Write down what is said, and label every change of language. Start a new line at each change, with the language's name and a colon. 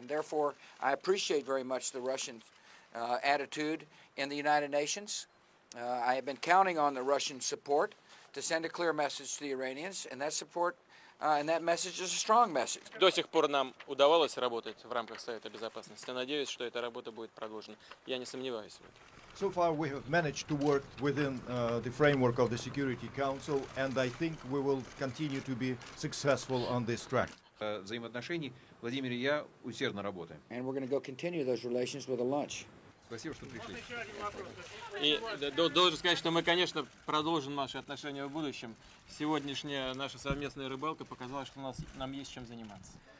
English: And therefore, I appreciate very much the Russian attitude in the United Nations. I have been counting on the Russian support to send a clear message to the Iranians, and that support and that message is a strong message.
Russian: До сих пор нам удавалось работать в рамках Совета Безопасности. Надеюсь, что эта работа будет продолжена. Я не сомневаюсь в этом.
English: So far we have managed to work within the framework of the Security Council, and I think we will continue to be successful on this track.
Russian: Взаимоотношений Владимир и я усердно работаем.
English: And we're going to go continue those relations with a lunch.
Russian: Спасибо, что пришли. И должен сказать, что мы, конечно, продолжим наши отношения в будущем. Сегодняшняя наша совместная рыбалка показала, что нам есть чем заниматься.